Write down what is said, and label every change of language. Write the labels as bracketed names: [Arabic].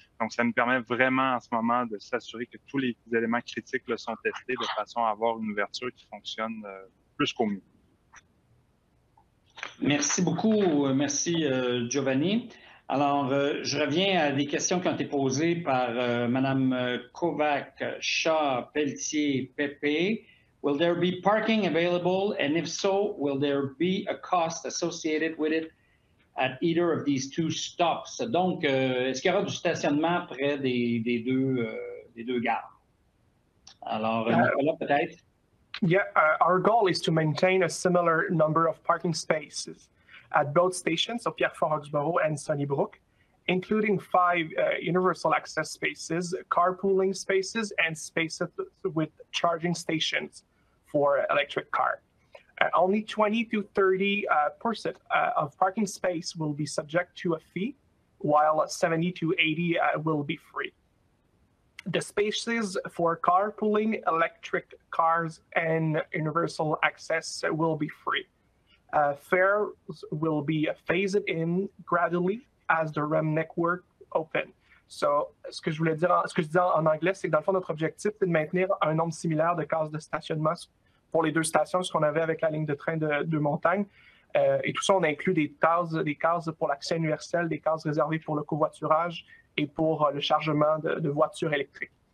[French] Donc, ça nous permet vraiment en ce moment de s'assurer que tous les éléments critiques là, sont testés de façon à avoir une ouverture qui fonctionne plus qu'au mieux. Merci beaucoup. Merci, Giovanni. Alors, je reviens à des questions qui ont été posées par Mme Kovac, Shaw, Pelletier, Pepe. [English] Will there be parking available? And if so, will there be a cost associated with it at either of these two stops? [French] Donc, est-ce qu'il y aura du stationnement près des deux gares? Alors, Nicolas, peut-être? [English] Yeah, our goal is to maintain a similar number of parking spaces at both stations, so Pierrefonds-Roxboro and Sunnybrook, including 5 universal access spaces, carpooling spaces, and spaces with charging stations for electric car. Only 20 to 30 percent of parking space will be subject to a fee, while 70 to 80 will be free. The spaces for carpooling, electric cars, and universal access will be free. Fares will be phased in gradually as the REM network open. [French] So, ce que je disais en anglais, c'est que dans le fond, notre objectif, c'est de maintenir un nombre similaire de cases de stationnement pour les deux stations, ce qu'on avait avec la ligne de train de Montagne. Et tout ça, on inclut des cases pour l'accès universel, des cases réservées pour le covoiturage et pour le chargement de voitures électriques.